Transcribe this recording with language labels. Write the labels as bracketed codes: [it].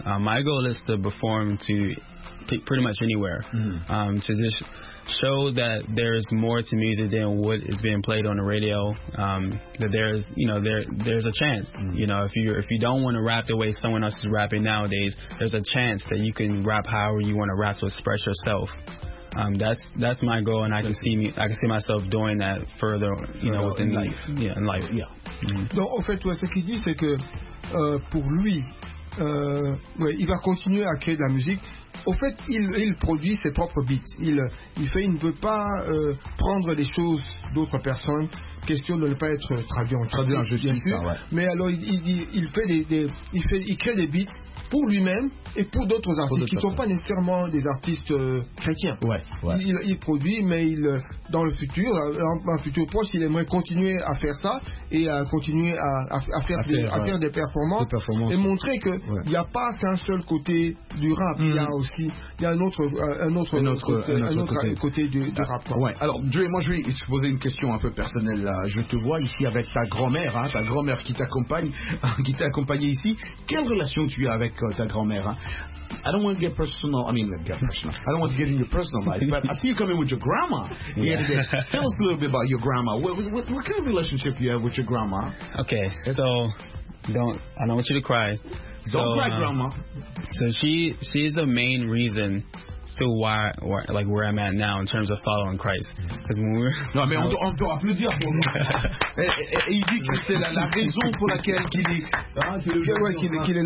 [en] My goal is to perform to pretty much anywhere, to just show that there's more to music than what is being played on the radio, that there's, you know, there's a chance. You know, if you don't want to rap the way someone else is rapping nowadays, there's a chance that you can rap however you want to rap to express yourself. That's my goal, and I can see myself doing that further, you know, within life. Yeah, in life. Yeah. [fr] Donc en fait, ce qu'il dit, c'est que pour lui, il va continuer à créer de la musique. Au fait, il produit ses propres beats. Il ne veut pas prendre les choses d'autres personnes. Question de ne pas être traduit en traduit, bien sûr. Ouais. Mais alors il crée des beats pour lui-même et pour d'autres artistes qui ne sont pas nécessairement des artistes chrétiens. Ouais, ouais. Il produit, mais il, dans le futur, un futur proche, il aimerait continuer à faire ça et à continuer à faire des performances, et montrer qu'il n'y a pas qu'un seul côté du rap. Il y a aussi un autre côté du rap. Ouais. Alors, Dre, moi, je vais te poser une question un peu personnelle. Là. Je te vois ici avec ta grand-mère, hein, qui t'a accompagné ici. Quelle relation tu as avec ta grand-mère, hein? [en] I don't want to get into your personal life, but I see you coming with your grandma. Yeah. Tell us a little bit about your grandma. What kind of relationship you have with your grandma? Okay, so I don't want you to cry. Don't cry, grandma. So she is the main reason to why where I'm at now in terms of following Christ. [fr] On doit applaudir pour nous. Et il dit que c'est la raison pour laquelle qu'il